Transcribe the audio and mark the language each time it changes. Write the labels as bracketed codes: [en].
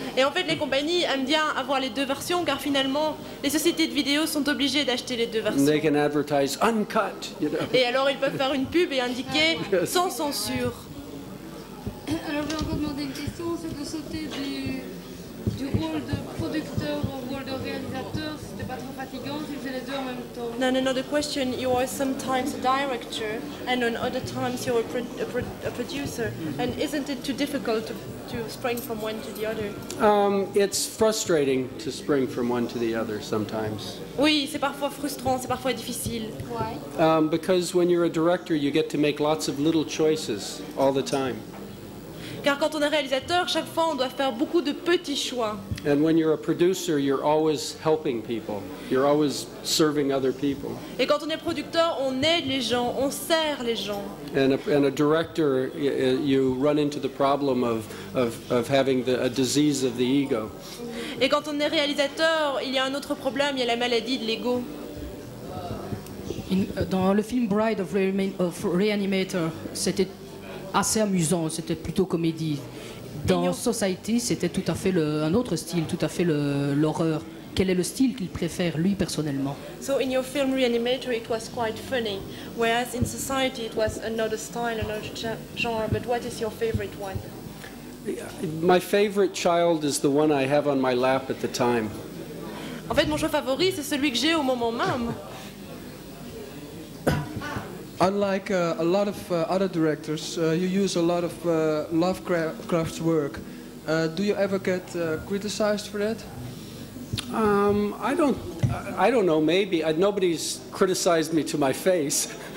[fr] Et en fait les compagnies aiment bien avoir les deux versions car finalement les sociétés de vidéo sont obligées d'acheter les deux versions. [en] And they can advertise uncut, you know. [fr] Et alors ils peuvent faire une pub et indiquer sans censure. Alors je vais encore demander une question, c'est de sauter du rôle de producteur au rôle de réalisateur, c'était pas trop fatigant, tu faisais les deux en même temps. [en] No, the question, you are sometimes a director and on other times you are a producer. Mm-hmm. And isn't it too difficult to spring from one to the other? It's frustrating to spring from one to the other sometimes. [fr] Oui, c'est parfois frustrant, c'est parfois difficile. [en] Why? Because when you're a director, you get to make lots of little choices all the time. [fr] Car quand on est réalisateur, chaque fois on doit faire beaucoup de petits choix. [en] And when you're a producer, you're always helping people. You're always serving other people. [fr] Et quand on est producteur, on aide les gens, on sert les gens. [en] And a director, you run into the problem of having a disease of the ego. [fr] Et quand on est réalisateur, il y a un autre problème, il y a la maladie de l'ego. Dans le film Bride of Reanimator, c'était assez amusant, c'était plutôt comédie. Dans Society, c'était tout à fait un autre style, tout à fait l'horreur. Quel est le style qu'il préfère lui personnellement? [en] So in your film Reanimator, it was quite funny, whereas in Society, it was another style, another genre. But what is your favorite one? My favorite child is the one I have on my lap at the time. [fr] En fait, mon jeu favori, c'est celui que j'ai au moment même. [en] Unlike a lot of other directors, you use a lot of Lovecraft's work. Do you ever get criticized for that? I don't know. Maybe nobody's criticized me to my face.